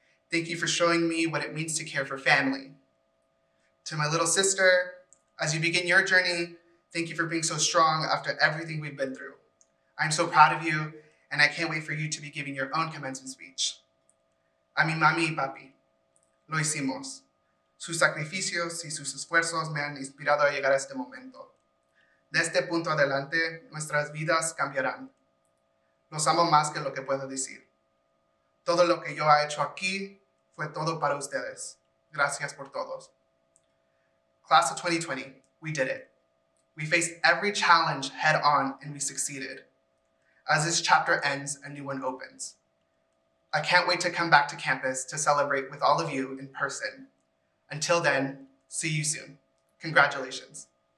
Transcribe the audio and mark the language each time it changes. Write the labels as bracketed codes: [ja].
[en] Thank you for showing me what it means to care for family. To my little sister, as you begin your journey, thank you for being so strong after everything we've been through. I'm so proud of you, and I can't wait for you to be giving your own commencement speech. [es] A mi mami y papi, lo hicimos. Sus sacrificios y sus esfuerzos me han inspirado a llegar a este momento. De este punto adelante, nuestras vidas cambiarán. Los amo más que lo que puedo decir. Todo lo que yo he hecho aquí fue todo para ustedes. Gracias por todos. [en] Class of 2020, we did it. We faced every challenge head on and we succeeded. As this chapter ends, a new one opens. I can't wait to come back to campus to celebrate with all of you in person. Until then, see you soon. Congratulations.